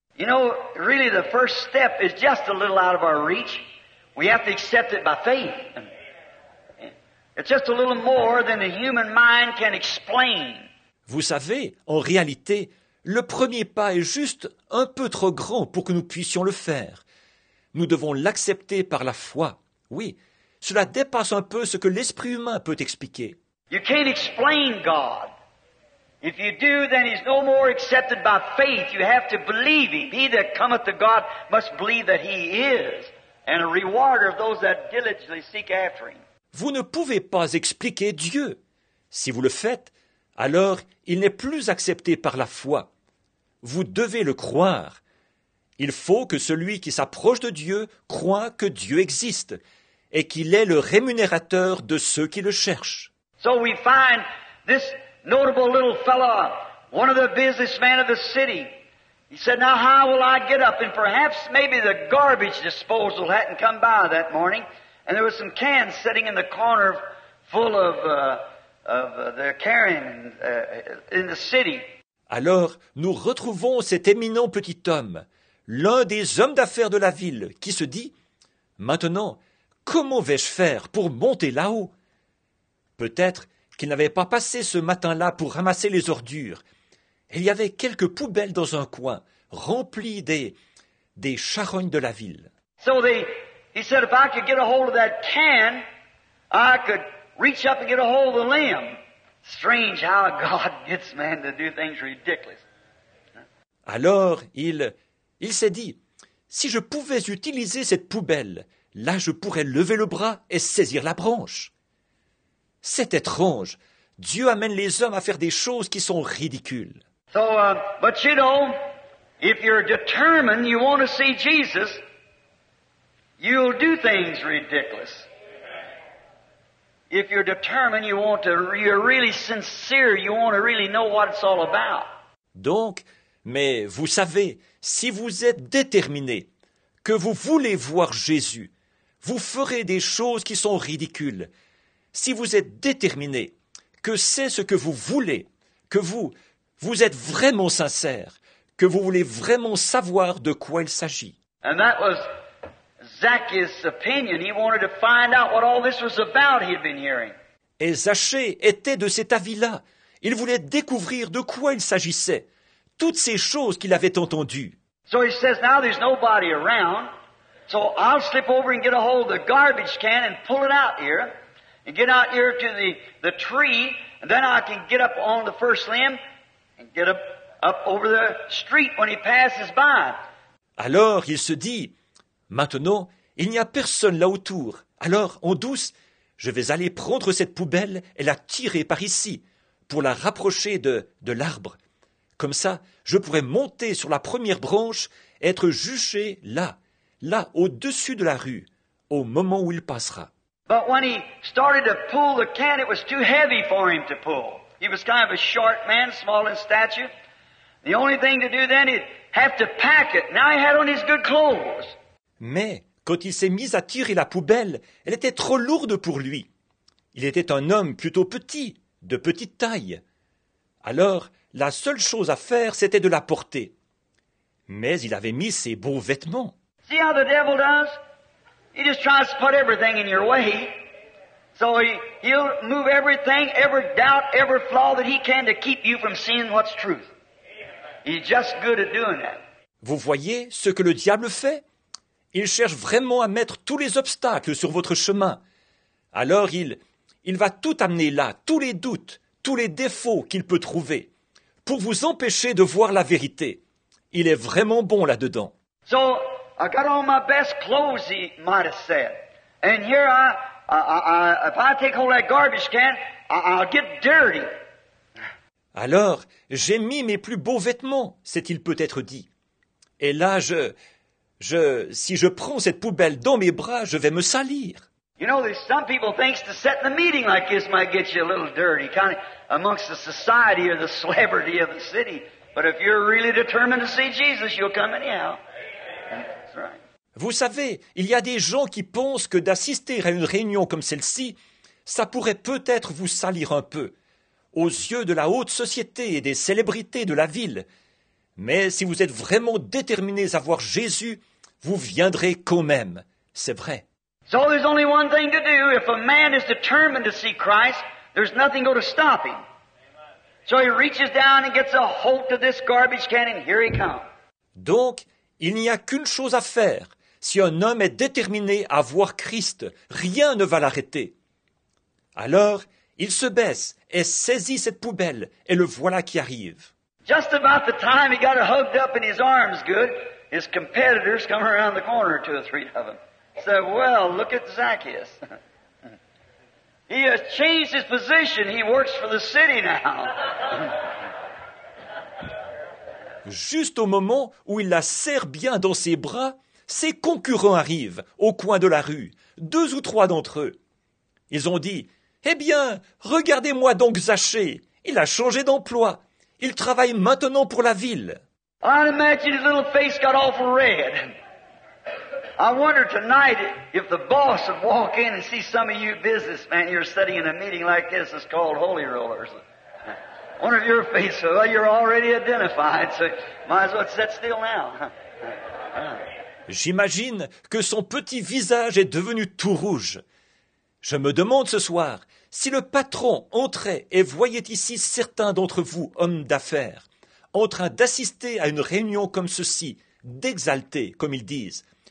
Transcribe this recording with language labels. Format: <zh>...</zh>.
<en>You know, really the first step is just a little out of our reach. We have to accept it by faith. It's just a little more than the human mind can explain.</en> <fr>Vous savez, en réalité, le premier pas est juste un peu trop grand pour que nous puissions le faire. Nous devons l'accepter par la foi. Oui, cela dépasse un peu ce que l'esprit humain peut expliquer.</fr> <en>You can't explain God. If you do, then he's no more accepted by faith. You have to believe him. He that cometh to God must believe that he is, and a rewarder of those that diligently seek after him.</en> <fr>Vous ne pouvez pas expliquer Dieu. Si vous le faites, alors il n'est plus accepté par la foi. Vous devez le croire. Il faut que celui qui s'approche de Dieu croie que Dieu existe et qu'il est le rémunérateur de ceux qui le cherchent.</fr> <en>So we find this notable little fellow, one of the businessmen of the city. He said, now how will I get up? And perhaps maybe the garbage disposal hadn't come by that morning. And there were some cans sitting in the corner full of their carrying in the city.</en> <fr>Alors, nous retrouvons cet éminent petit homme, l'un des hommes d'affaires de la ville, qui se dit, maintenant, comment vais-je faire pour monter là-haut? Peut-être qu'il n'avait pas passé ce matin-là pour ramasser les ordures. Il y avait quelques poubelles dans un coin, remplies des charognes de la ville.</fr> <en>So he said, if I could get a hold of that can, I could reach up and get a hold of the limb. Strange how God gets man to do things ridiculous.</en> <fr>Alors, il s'est dit, si je pouvais utiliser cette poubelle, là je pourrais lever le bras et saisir la branche. C'est étrange. Dieu amène les hommes à faire des choses qui sont ridicules.</fr> <en>But you know, if you're determined you want to see Jesus, you'll do things ridiculous. If you're determined you want to, you're really sincere, you want to really know what it's all about.</en> <fr>Donc, mais vous savez, si vous êtes déterminé que vous voulez voir Jésus, vous ferez des choses qui sont ridicules. Si vous êtes déterminé que c'est ce que vous voulez, que vous êtes vraiment sincère, que vous voulez vraiment savoir de quoi il s'agit.</fr> <en>And that was Zacchaeus' opinion. He wanted to find out what all this was about he'd been hearing.</en> <fr>Et Zachée était de cet avis-là. Il voulait découvrir de quoi il s'agissait, toutes ces choses qu'il avait entendues.</fr> <en>So he says, now there's nobody around, so I'll slip over and get a hold of the garbage can and pull it out here. And get out here to the tree, and then I can get up on the first limb and get up over the street when he passes by.</en> <fr>Alors il se dit, maintenant il n'y a personne là autour. Alors en douce, je vais aller prendre cette poubelle et la tirer par ici pour la rapprocher de l'arbre. Comme ça, je pourrai monter sur la première branche et être juché là au-dessus de la rue au moment où il passera.</fr> <en>But when he started to pull the can, it was too heavy for him to pull. He was kind of a short man, small in stature. The only thing to do then, he'd have to pack it. Now he had on his good clothes.</en> <fr>Mais quand il s'est mis à tirer la poubelle, elle était trop lourde pour lui. Il était un homme plutôt petit, de petite taille. Alors, la seule chose à faire, c'était de la porter. Mais il avait mis ses beaux vêtements.</fr> <en>See how the devil does? He just tries to put everything in your way. So he'll move everything, every doubt, every flaw that he can to keep you from seeing what's truth. He's just good at doing that.</en> <fr>Vous voyez ce que le diable fait? Il cherche vraiment à mettre tous les obstacles sur votre chemin. Alors il va tout amener là, tous les doutes, tous les défauts qu'il peut trouver, pour vous empêcher de voir la vérité. Il est vraiment bon là-dedans.</fr> <en>So, I got all my best clothes, he might have said. And here if I take hold of that garbage can, I'll get dirty.</en> <fr>Alors, j'ai mis mes plus beaux vêtements, s'est-il peut-être dit. Et là, si je prends cette poubelle dans mes bras, je vais me salir.</fr> <en>You know, there's some people think to set the meeting like this might get you a little dirty, kind of amongst the society or the celebrity of the city. But if you're really determined to see Jesus, you'll come anyhow. That's right.</en> <fr>Vous savez, il y a des gens qui pensent que d'assister à une réunion comme celle-ci, ça pourrait peut-être vous salir un peu, aux yeux de la haute société et des célébrités de la ville. Mais si vous êtes vraiment déterminés à voir Jésus, vous viendrez quand même. C'est vrai.</fr> <en>So there's only one thing to do. If a man is determined to see Christ, there's nothing going to stop him. So he reaches down and gets a hold of this garbage can and here he comes.</en> <fr>Donc, il n'y a qu'une chose à faire. Si un homme est déterminé à voir Christ, rien ne va l'arrêter. Alors, il se baisse et saisit cette poubelle et le voilà qui arrive.</fr> <en>Just about the time he got hugged up in his arms good, his competitors come around the corner, two or three of them. Said, well, look at Zacchaeus. He has changed his position. He works for the city now.</en> <fr>Juste au moment où il la serre bien dans ses bras, ses concurrents arrivent au coin de la rue, deux ou trois d'entre eux. Ils ont dit, « Eh bien, regardez-moi donc Zachée. Il a changé d'emploi. Il travaille maintenant pour la ville. »</fr> <en>I'd imagine his little face got awful red. I wonder tonight if the boss would walk in and see some of you businessmen you're sitting in a meeting like this is called Holy Rollers. One of your face, well, you're already identified, so might as well sit still now.</en> <fr>J'imagine que son petit visage est devenu tout rouge. Je me demande ce soir si le patron entrait et voyait ici certains d'entre vous, hommes d'affaires, en train d'assister à une réunion comme ceci, d'exalter, comme ils disent.</fr>